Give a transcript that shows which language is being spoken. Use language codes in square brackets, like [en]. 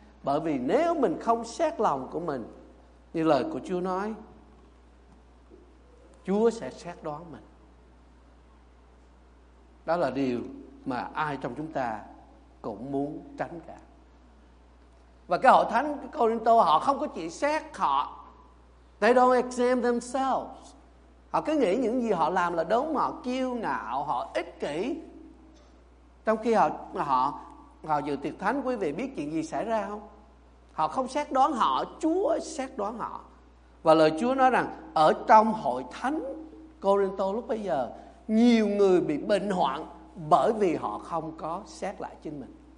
[vi] Bởi vì nếu mình không xét lòng của mình, như lời của Chúa nói, Chúa sẽ xét đoán mình. Đó là điều mà ai trong chúng ta cũng muốn tránh cả. Và cái hội thánh của Corinto, họ không có chỉ xét họ. [en] They don't examine themselves. [vi] Họ cứ nghĩ những gì họ làm là đúng, họ kiêu ngạo, họ ích kỷ. Trong khi họ dự tiệc thánh, quý vị biết chuyện gì xảy ra không? Họ không xét đoán họ, Chúa xét đoán họ. Và lời Chúa nói rằng ở trong hội thánh Corinto lúc bấy giờ, nhiều người bị bệnh hoạn bởi vì họ không có xét lại chính mình.